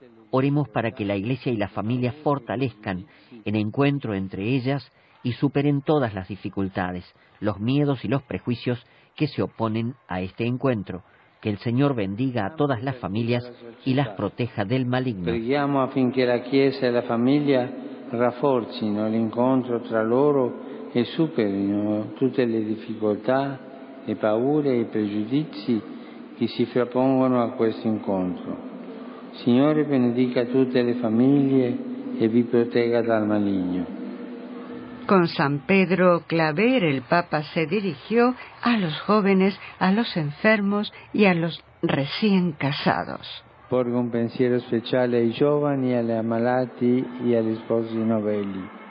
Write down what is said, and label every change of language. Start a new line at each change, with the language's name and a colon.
Spanish: Oremos para que la Iglesia y la familia fortalezcan el encuentro entre ellas y superen todas las dificultades, los miedos y los prejuicios que se oponen a este encuentro. Que el Señor bendiga a todas las familias y las proteja del maligno.
Italian: Preghiamo affinché la Chiesa e la famiglia rafforzino l'incontro tra loro e superino tutte le difficoltà, le paure e i pregiudizi che si frappongono a questo incontro. Signore, benedica tutte le famiglie e vi protegga dal maligno.
Spanish: Con San Pedro Claver, el Papa se dirigió a los jóvenes, a los enfermos y a los recién casados.
Italian: Porgo un pensiero especial ai giovani, alle ammalati y agli sposi novelli.